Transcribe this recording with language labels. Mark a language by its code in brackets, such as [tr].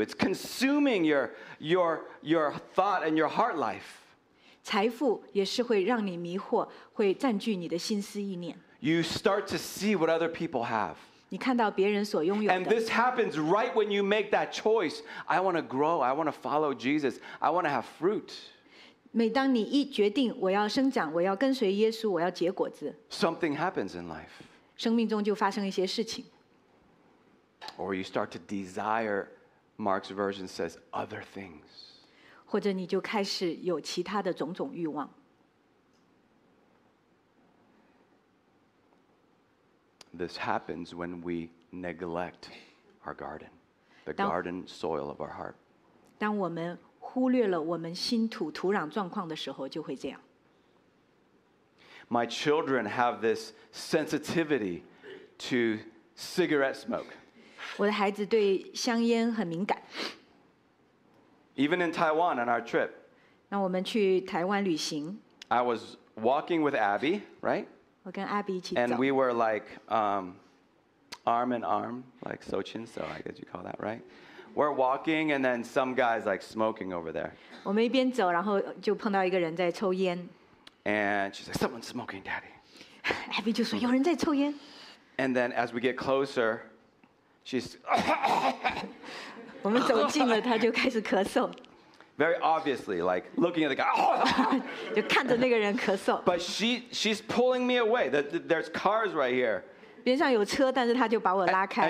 [en] It's consuming your thought and your heart life. [zh] 财富也是会让你迷惑，会占据你的心思意念。 [en] You start to see what other people have. [zh] 你看到别人所拥有的。 [en] And this happens right when you make that choice. I want to grow. I want to follow Jesus. I want to have fruit. [zh] 每当你一决定我要生长，我要跟随耶稣，我要结果子。 [en] Something happens in life. [zh] 生命中就发生一些事情。 [en] Or you start to desire, Mark's version says, other things. [zh] 或者你就开始有其他的种种欲望。 [en] This happens when we neglect our garden, the garden soil of our heart. [zh] 当我们忽略了我们心土土壤状况的时候，就会这样。 [en] My children have this sensitivity to cigarette smoke. [zh] 我的孩子对香烟很敏感。 [en] Even in Taiwan on our trip, [zh] 那我们去台湾旅行。 [en] I was walking with Abby, right? [zh] 我跟 Abby 一起走。 [en] And we were like arm in arm, like so chin so, I guess you call that, right? We're walking, and then some guy's like smoking over there. [zh] 我们一边走，然后就碰到一个人在抽烟。 [en] And she's like, "Someone's smoking, Daddy." [zh] Abby 就说有人在抽烟。 [en] And then as we get closer, she's. [zh] 我们走近了，他就开始咳嗽。 [en] Very obviously, like looking at the guy, [zh] 就看着那个人咳嗽。 [en] But she's pulling me away. There's cars right here. [zh] 边上有车，但是他就把我拉开。